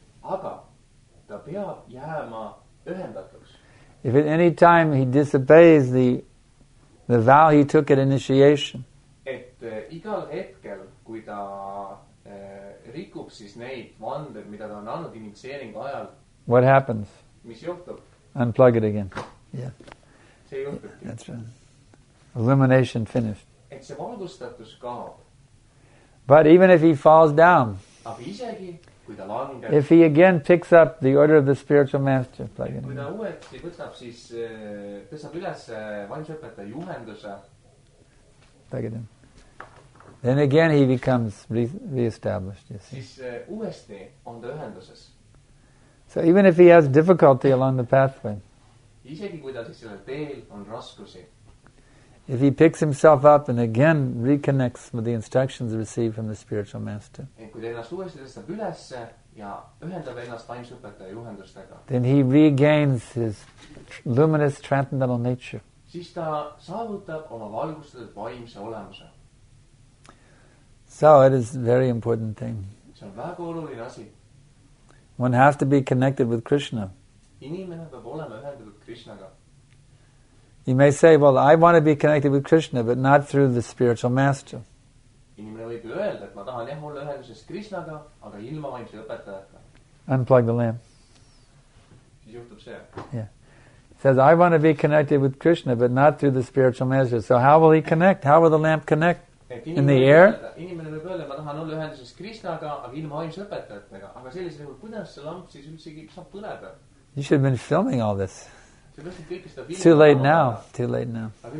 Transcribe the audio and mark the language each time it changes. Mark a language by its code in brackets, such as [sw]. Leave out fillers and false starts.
[et] aga ta peab jääma ühendatuks. [en] If at any time he disobeys the vow he took at initiation, [et] et igal hetkel, kui ta rikub siis neid vanded, mida ta on annud initsieeringu ajal, [en] what happens? [et] Mis juhtub? [en] Unplug it again. Yeah. [et] See juhtubki. [en] That's right. Illumination finished. [et] Et see valgustatus kaob. [en] But even if he falls down, [et] aga isegi, kui ta langeb, [en] if he again picks up the order of the spiritual master, plug it in. [et] Kui ta uuesti võtab, siis tõsab üles vandusõpetaja juhenduse. [en] Plug it in. Then again he becomes re-established, you see. [et] Siis uuesti on ta ühenduses. [en] So even if he has difficulty along the pathway, [et] isegi kui ta siis sellel teel on raskusi, [en] if he picks himself up and again reconnects with the instructions received from the spiritual master, [et] kui ta ennast uuesti tõstab ülesse ja ühendab ennast vaimsõpetaja juhendustega, [en] then he regains his luminous transcendental nature. [et] Siis ta saavutab oma valgustatud vaimse olemuse. [en] So it is a very important thing. [et] See on väga oluline asi. [en] One has to be connected with Krishna. [et] Inimene peab olema ühendatud [en] with [et] Krishnaga. [en] You may say, well, I want to be connected with Krishna, but not through the spiritual master. [et] Inimene võib öelda, et ma tahan jah olla ühenduses Krishnaga, aga ilma vaimse õpetajata. [en] Unplug the lamp. [et] Siis juhtub see. [en] Yeah. He says, I want to be connected with Krishna, but not through the spiritual master. So how will he connect? How will the lamp connect? In the air? [et] Inimene võib öelda, ma tahan olla ühenduses Krishnaga, aga ilma vaimse õpetajatega. Aga sellisel juhul, kuidas see lamp siis üldse saab põleda? [en] You should have been filming all this. Too late now. Too late now.